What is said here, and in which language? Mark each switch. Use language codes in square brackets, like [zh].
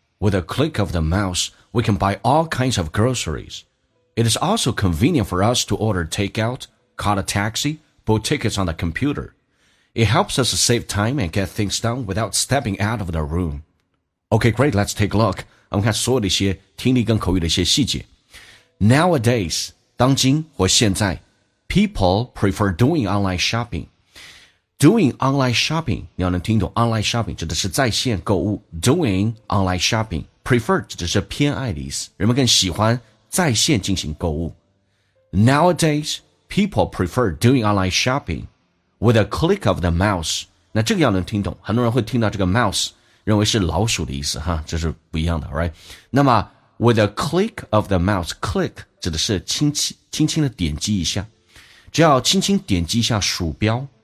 [en] With a click of the mouse, we can buy all kinds of groceries. It is also convenient for us to order takeout, call a taxi, book tickets on the computer. It helps us save time and get things done without stepping out of the room. Okay, great, let's take a look. [zh] 我们看所有的一些听力跟口语的一些细节。 [en] Nowadays, [zh] 当今或现在 [en] ,people prefer doing online shopping. Doing online shopping, [zh] 你要能听懂 online shopping, 指的是在线购物。 [en] Doing online shopping, [zh] prefer, 指的是偏爱的意思。人们更喜欢在线进行购物。 [en] Nowadays, people prefer doing online shopping with a click of the mouse. [zh] 那这个要能听懂，很多人会听到这个 mouse, 认为是老鼠的意思，哈，这是不一样的 , [en] right? [zh] 那么 [en] With a click of the mouse, [zh] click 指的是轻轻的点击一下，只要轻轻点击一下鼠标。